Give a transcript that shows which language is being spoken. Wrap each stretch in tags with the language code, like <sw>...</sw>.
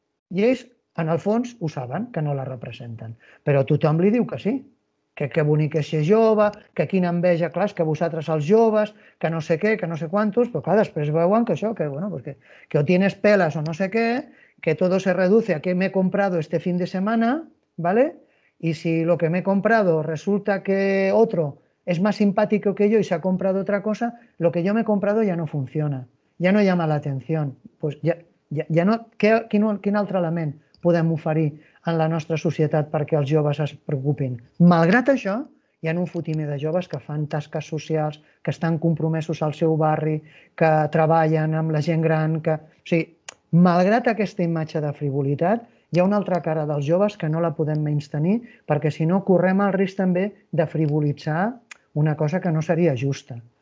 <ca>I ells, en el fons, ho saben, que no la representen. Però tothom li diu que sí, que bonic és ser jove, que quina enveja, clar, que vosaltres els joves, que no sé què, que no sé quantos, però clar, després veuen que això, que</ca> <es>o tienes pelas</es> <ca>o no sé què, que</ca> <es>todo se reduce a que m'he comprado este fin de semana,</es> <ca>¿vale?</ca> <es>Y si lo que m'he comprado resulta que otro es más simpático que yo y se ha comprado otra cosa, lo que yo me he comprado ya no funciona, ya no llama la atención. Pues ya no,</es> <ca>quin altre element podem oferir en la nostra societat perquè els joves es preocupin? Malgrat això, hi ha un fotimer de joves que fan tasques socials, que estan compromesos al seu barri, que treballen amb la gent gran, que... O sigui, malgrat aquesta imatge de frivolitat, hi ha una altra cara dels joves que no la podem menystenir, perquè si no correm el risc també de frivolitzar una cosa que no seria justa.</ca>